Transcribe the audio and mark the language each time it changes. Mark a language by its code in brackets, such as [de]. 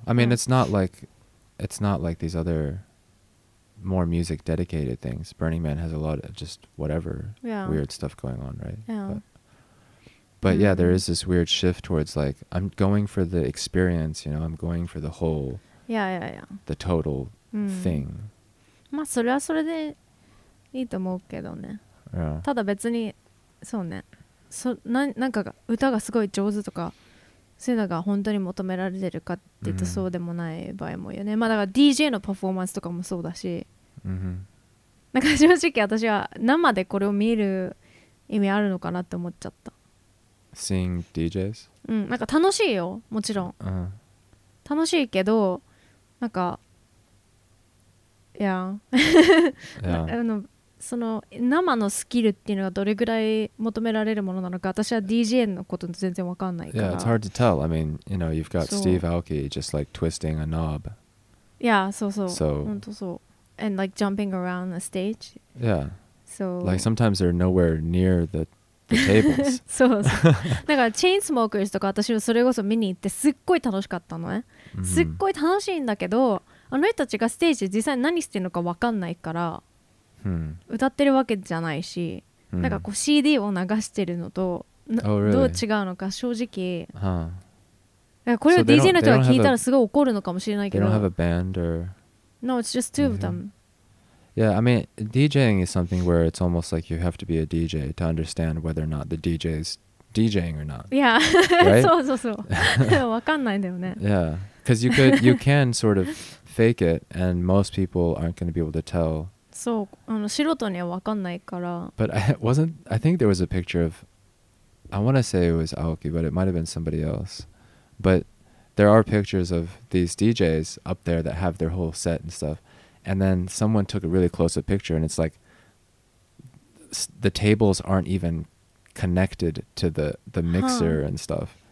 [en] I mean, it's not like these other more music-dedicated things. Burning Man has a lot of just whatever weird stuff going on, right? Yeah. But yeah, there is this weird shift towards like, I'm going for the experience, you know, I'm going for the whole, the total thing. [ja] まあそれはそれでいいと思うけどね。 Yeah. ただ別に、そうね、なんか歌がすごい上手とか、そういうのが本当に求められてるかって言うとそうでもない場合もよね。まあだから DJ のパフォーマンスとかもそうだし、なんか正直私は生でこれを見る意味あるのかなって思っちゃった。 [en] Seeing DJs? [ja] うん、なんか楽しいよ、もちろん。 Uh-huh. 楽しいけど、なんか、 yeah. その生のスキルっていうのがどれぐらい求められるものなのか、私は DJ のこと全然わかんないから。 [en] Yeah, it's hard to tell. I mean, you know, you've got Steve Aoki just like twisting a knob. Yeah, [ja] そうそう。 [en] So, [ja] 本当そう。 [en] And like jumping around the stage. Yeah. So, like sometimes they're nowhere near the tables. [ja] そうそう。だからチェーンスモーカーズとか私もそれこそ見に行ってすっごい楽しかったのね。 Mm-hmm. すっごい楽しいんだけど、あの人たちがステージで実際何してるのか分かんないから、 mm-hmm. 歌ってるわけじゃないし、mm-hmm. なんかこう CD を流してるのと、 [en] oh, really? [ja] どう違うのか正直、 huh. これを DJ の人が聞いたらすごい怒るのかもしれないけど、 [en] they don't have a band or No, it's just two of them、mm-hmm. Yeah, I mean, DJing is something where it's almost like you have to be a DJ to understand whether or not the DJ is DJing or not. Yeah, right? [ja] そうそうそう。わかんないんだよね。 [en] Yeah, because you can sort of fake it, and most people aren't going to be able to tell. [ja] そう、あの素人にはわかんないから。 [en] But I think there was a picture of, I want to say it was Aoki, but it might have been somebody else. But there are pictures of these DJs up there that have their whole set and stuff. And then someone took a really close-up picture, and it's like the tables aren't even connected to the mixer and stuff.